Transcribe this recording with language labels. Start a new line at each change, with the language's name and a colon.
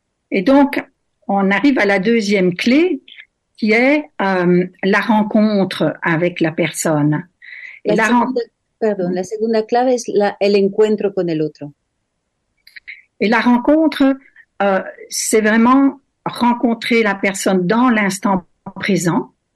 French: Et donc, on arrive à la deuxième clé qui est la rencontre avec la personne.
Spanish: La segunda clave es el encuentro con el otro.
French: Et la rencontre, c'est vraiment rencontrer la personne dans l'instant présent.